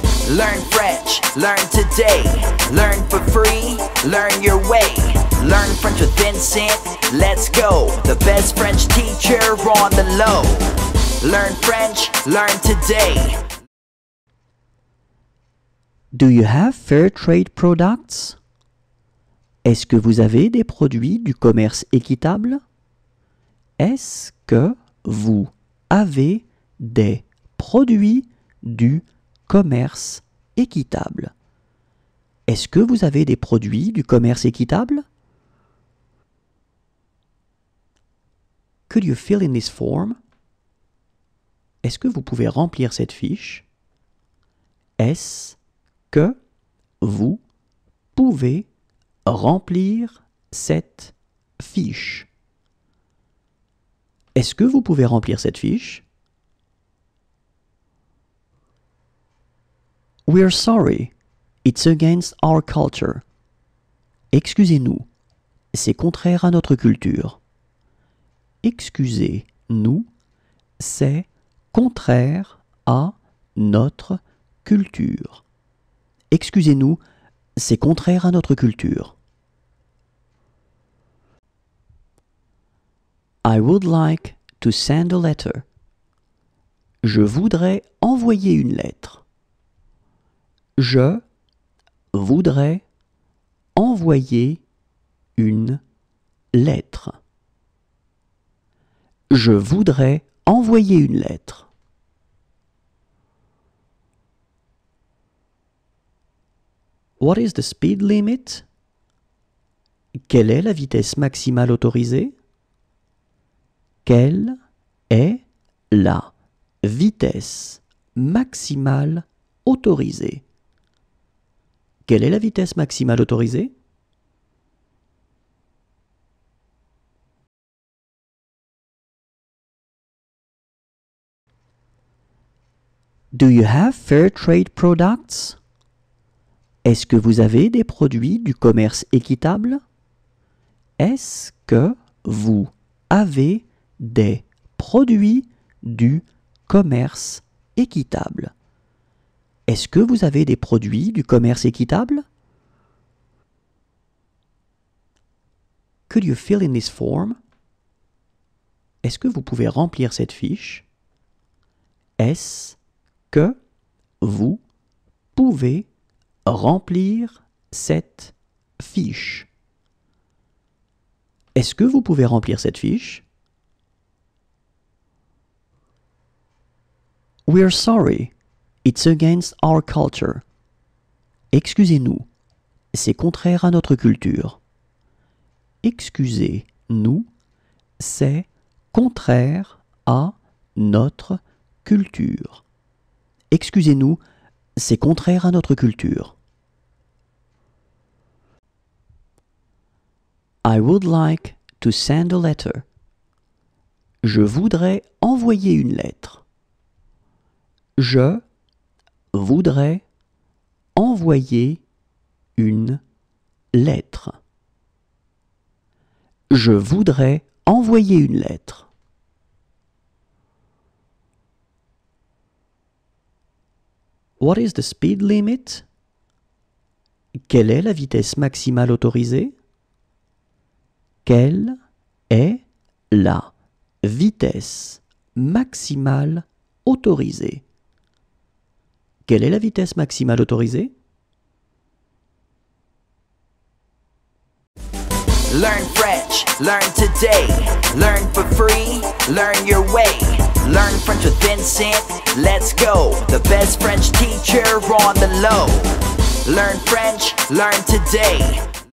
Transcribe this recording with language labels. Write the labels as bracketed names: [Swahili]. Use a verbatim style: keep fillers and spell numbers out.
[English] Learn French, learn today. Learn for free, learn your way. Learn French with Vincent, let's go. The best French teacher on the low. Learn French, learn today. Do you have fair trade products? [French] Est-ce que vous avez des produits du commerce équitable? Est-ce que vous avez des produits du commerce équitable? Est-ce que vous avez des produits du commerce équitable? [English] Could you fill in this form? [French] Est-ce que vous pouvez remplir cette fiche? Est-ce que vous pouvez remplir cette fiche? Est-ce que vous pouvez remplir cette fiche? [English] We're sorry. It's against our culture. [French] Excusez-nous. C'est contraire à notre culture. Excusez-nous. C'est contraire à notre culture. Excusez-nous. C'est contraire à notre culture. [English] I would like to send a letter. [French] Je voudrais envoyer une lettre. Je voudrais envoyer une lettre. Je voudrais envoyer une lettre. [English] What is the speed limit? [French] Quelle est la vitesse maximale autorisée? Quelle est la vitesse maximale autorisée? Quelle est la vitesse maximale autorisée? [English] Do you have fair trade products? [French] Est-ce que vous avez des produits du commerce équitable? Est-ce que vous avez des produits du commerce équitable? Est-ce que vous avez des produits du commerce équitable? [English] Could you fill in this form? [French] Est-ce que vous pouvez remplir cette fiche? Est-ce que vous pouvez remplir cette fiche? Est-ce que vous pouvez remplir cette fiche? [English] We're sorry. It's against our culture. [French] Excusez-nous. C'est contraire à notre culture. Excusez-nous. C'est contraire à notre culture. Excusez-nous. C'est contraire à notre culture. [English] I would like to send a letter. [French] Je voudrais envoyer une lettre. Je voudrais envoyer une lettre. Je voudrais envoyer une lettre. [English] What is the speed limit? [French] Quelle est la vitesse maximale autorisée? Quelle est la vitesse maximale autorisée? Quelle est la vitesse maximale autorisée? [English] Learn French, learn today. Learn for free, learn your way. Learn French with Vincent, let's go. The best French teacher on the low. Learn French, learn today.